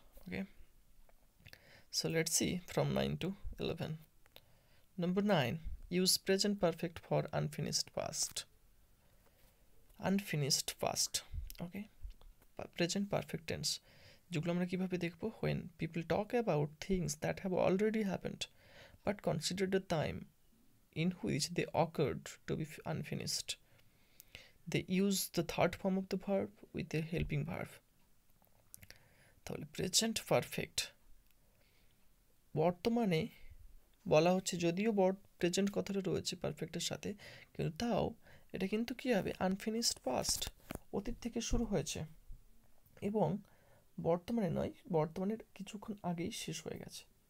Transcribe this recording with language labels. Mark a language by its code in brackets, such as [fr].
[en] Okay, so let's see from 9-11। Number 9, use present perfect for unfinished past, unfinished past. Okay, present perfect tense [bn] যেগুলো আমরা কীভাবে দেখবো, [en] When people talk about things that have already happened, but consider the time in which they occurred to be unfinished. They use the third form of the verb with a helping verb. [bn] তাহলে present perfect বর্তমানে বলা হচ্ছে, যদিও present কথাটা রয়েছে পারফেক্টের সাথে, কিন্তু তাও এটা কিন্তু কী হবে, আনফিনিশড পাস্ট, অতীত থেকে শুরু হয়েছে এবং বর্তমানে নয়, বর্তমানের কিছুক্ষণ আগেই শেষ হয়ে গেছে।